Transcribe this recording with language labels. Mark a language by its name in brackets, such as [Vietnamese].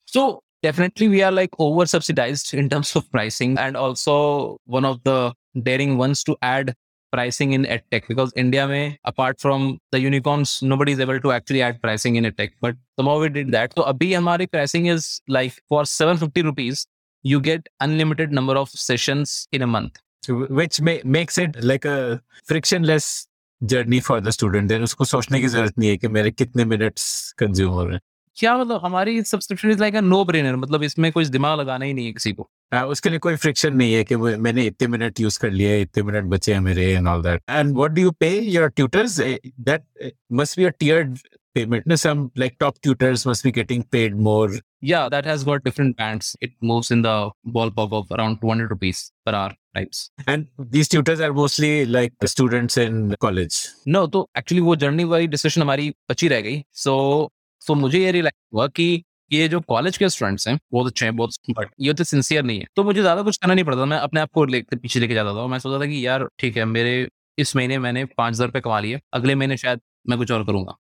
[English] So definitely, we are like over-subsidized in terms of pricing, and also one of the daring ones to add pricing in EdTech, because India, mein, apart from the unicorns, nobody is able to actually add pricing in EdTech, but somehow we did that. So, abhi hamari pricing is like for 750 rupees, you get unlimited number of sessions in a month. Which makes it like a frictionless journey for the student. There is no need to think about how many minutes consume ho rahe hain. [Hindi] क्या मतलब हमारी subscription is like a no brainer, मतलब इसमें कुछ दिमाग लगाना ही नहीं है किसी को. उसके लिए कोई फ्रिक्शन नहीं है कि मैंने इतने मिनट यूज कर लिए, इतने मिनट बचे हैं मेरे and all that. [English] And what do you pay your tutors? That must be a tiered payment. Some like top tutors must be getting paid more. Yeah that has got different bands. It moves in the ballpark of around 200 rupees per hour. And these tutors are mostly like students in college. [Hindi] No, तो actually वो journey वाली decision हमारी बची रह गई. So मुझे ये रियलाइज हुआ कि ये जो कॉलेज के स्टूडेंट्स हैं बहुत अच्छे हैं, बहुत स्मार्ट, ये तो सिंसियर नहीं है. तो मुझे ज्यादा कुछ करना नहीं पड़ता, मैं अपने आप को पीछे लेके जाता था. मैं सोचता था कि यार ठीक है, मेरे इस महीने मैंने 5,000 रुपए कमा लिए, अगले महीने शायद मैं कुछ और करूंगा.